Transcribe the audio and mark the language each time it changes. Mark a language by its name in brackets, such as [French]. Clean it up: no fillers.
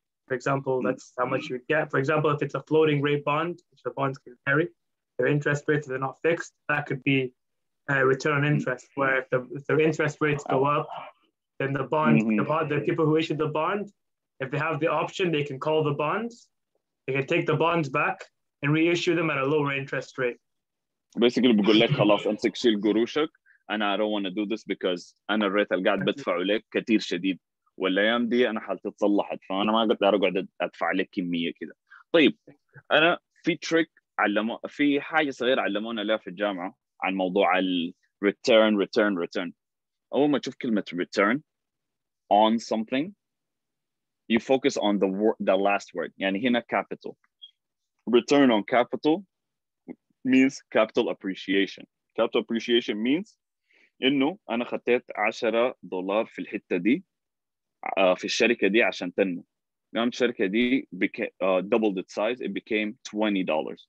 [English] For example, that's how much you get. For example, if it's a floating rate bond, which the bonds can carry, their interest rates, if they're not fixed, that could be return on interest, where if the interest rates go up, then the bond, the people who issued the bond, if they have the option, they can call the bonds They can take the bonds back and reissue them at a lower interest rate. Basically, [Arabic] بقول لك خلاص امسك شيل قروشك. أنا [English] I don't want to do this because [Arabic] أنا الريت اللي قاعد بدفع لك كتير شديد. والأيام دي أنا حالتي تصلحت فأنا ما قدر أقعد أدفع لك كمية كده. طيب أنا في تريك علمو في حاجة صغيرة علمونا لها في الجامعة عن موضوع ال return. أول ما تشوف كلمة [English] return on something you focus on the last word. [Arabic] يعني هنا capital. [English] Return on capital means capital appreciation. Capital appreciation means [Arabic] إنه أنا خطيت $10 في الحتة دي في الشركة دي عشان تنمو. قامت الشركة دي [English] doubled its size. It became $20.